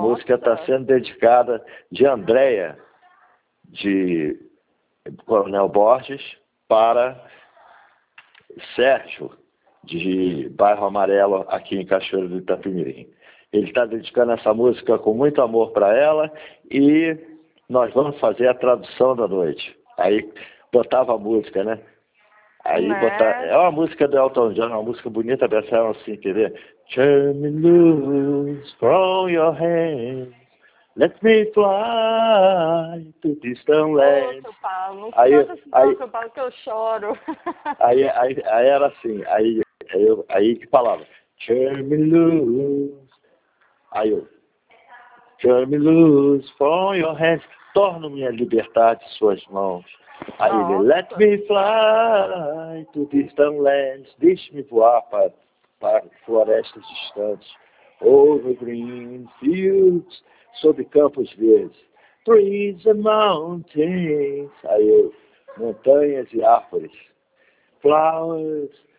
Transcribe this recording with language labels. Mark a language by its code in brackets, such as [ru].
[pt] música está sendo dedicada de Andréia, de Coronel Borges, para Sérgio, de Bairro Amarelo, aqui em Cachoeiro do Itapemirim. Ele está dedicando essa música com muito amor para ela e nós vamos fazer a tradução da noite. Aí botava a música, né? Aí botava. Né? É uma música do Elton John, uma música bonita, dessa ela assim, quer ver? [en] Turn me loose from your hands. Let me fly to distant lands. [pt] Outro Paulo, não Aí, canta esse outro Paulo que eu choro. aí, aí, aí, aí era assim. Aí que falava: [en] Turn me loose. [pt] Aí eu: [en] Turn me loose from your hands. [pt] Torno minha liberdade em suas mãos. Aí ele: Nossa. [en] Let me fly to distant lands. [pt] Deixe-me voar para florestas distantes. [en] Over green fields. [pt] Sobre campos verdes. [en] Trees and mountains. [pt] Aí eu: Montanhas e árvores. Flowers.